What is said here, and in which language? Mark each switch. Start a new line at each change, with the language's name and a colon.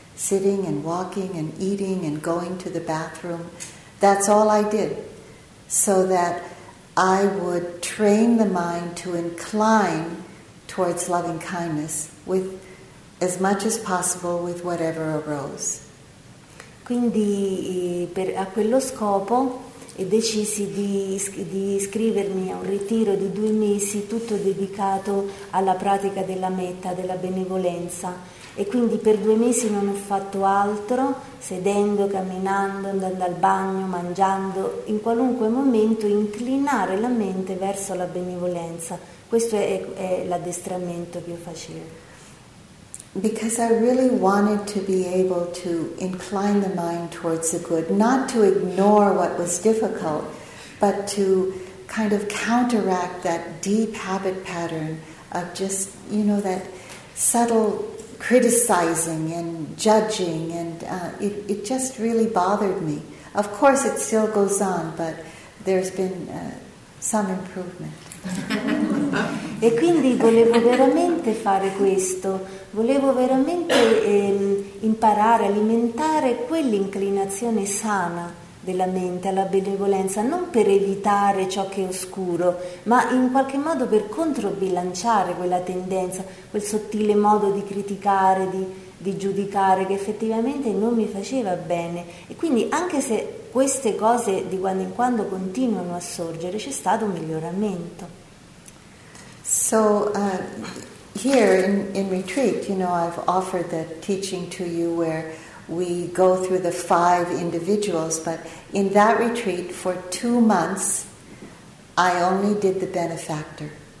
English: Sitting and walking and eating and going to the bathroom. That's all I did. So that I would train the mind to incline towards loving kindness with as much as possible with whatever arose.
Italian: Quindi a quello scopo decisi di iscrivermi a un ritiro di 2 mesi tutto dedicato alla pratica della metta, della benevolenza. E quindi per 2 mesi non ho fatto altro, sedendo, camminando, andando al bagno, mangiando, in qualunque momento inclinare la mente verso la benevolenza. Questo è l'addestramento che io facevo.
English: Because I really wanted to be able to incline the mind towards the good, not to ignore what was difficult, but to kind of counteract that deep habit pattern of just, you know, that subtle criticizing and judging, and it just really bothered me. Of course it still goes on, but there's been some improvement.
Italian: E quindi volevo veramente fare questo, volevo veramente imparare, alimentare quell'inclinazione sana della mente alla benevolenza, non per evitare ciò che è oscuro, ma in qualche modo per controbilanciare quella tendenza, quel sottile modo di criticare, di giudicare, che effettivamente non mi faceva bene. E quindi anche se queste cose di quando in quando continuano a sorgere, c'è stato un miglioramento.
English: So here in retreat, you know, I've offered the teaching to you where we go through the 5 individuals, but in that retreat for 2 months, I only did the benefactor,